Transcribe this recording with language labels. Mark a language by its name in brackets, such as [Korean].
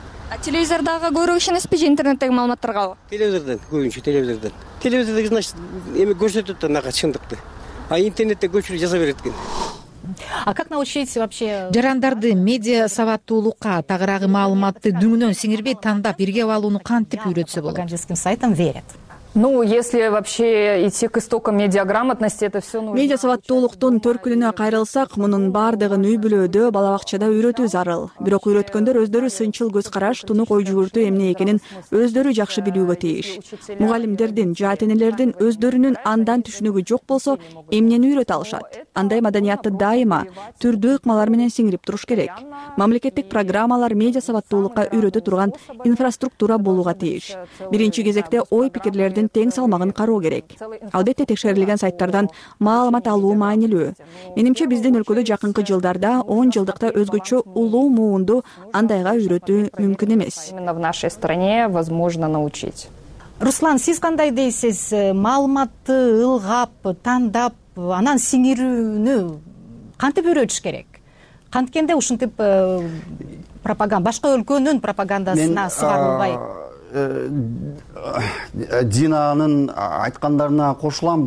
[Kyrgyz] А телевизордагы көбүрөөк ишенесизби же интернеттеги маалыматтаргабы? Телевизордон, көбүнчө телевизордон. Телевизордо значит эми көрсөтөт да мага чындыкты. А интернетте көпчүлүк жаза берет экен. [Russian] А как научить вообще [Kyrgyz] жарандарды медиа сабаттуулукка, тагыраагы маалыматты дүңүнөн сиңирбей тандап иргеп алууну кантип үйрөтсө болот? [Russian] Пропагандистским сайтам верят. Ну, если вообще идти к истокам медиаграмотности, это все нужно. [Kyrgyz] Медиа сабаттуулуктун төркүлүнө кайрылсак, мунун бардыгын үй бүлөдө, бала бакчада үйрөтүү зарыл. Бирок үйрөткөндөр өздөрү сынчыл көз караш, тунук ой жүгүртүү эмне экенин өздөрү жакшы билүүгө тийиш. Мугалимдердин, жаатенелердин өздөрүнүн андан түшүнүгү жок болсо, эмнени үйрөтө алышат? Андай маданиятты дайыма түрдүү ыкмалар менен сиңирип туруш керек. Мамлекеттик программалар медиа сабаттуулукка үйрөтө турган инфраструктура болууга тийиш. Биринчи кезекте ой пикирлер тең салмагын кароо керек. Албетте текшерилген сайттардан маалымат алуу маанилүү. Менимче биздин өлкөдө жакынкы жылдарда 10 жылдыкта өзгөчө улуу муунду андайга үйрөтүү мүмкүн эмес. [Russian] Именно в нашей стране возможно научить. [Kyrgyz] Руслан, сиз кандай дейсиз? Маалыматты ылгап, тандап, анан сиңирүүнү кантип үйрөтүш керек? Канткенде ушинтип пропаганда, башка өлкөнүн пропагандасына сугарылбай? Динанын айткандарына кошулам.